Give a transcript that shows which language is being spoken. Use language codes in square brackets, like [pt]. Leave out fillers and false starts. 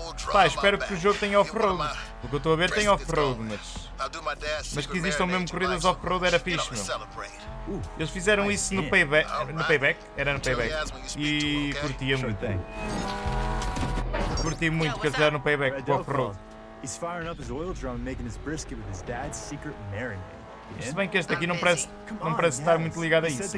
[pt] Pá, espero que o jogo tenha off-road. O que eu estou a ver tem off-road, mas que existam mesmo corridas off-road era fixe, meu. Eles fizeram isso no Payback. No Payback? Era no Payback. E curtia muito. Curti muito que eles fizeram no Payback com off-road. [en] He's firing up his oil drum and making his brisket with his dad's secret marinade. [pt] Yeah? Se bem que este aqui não parece estar muito ligado a isso.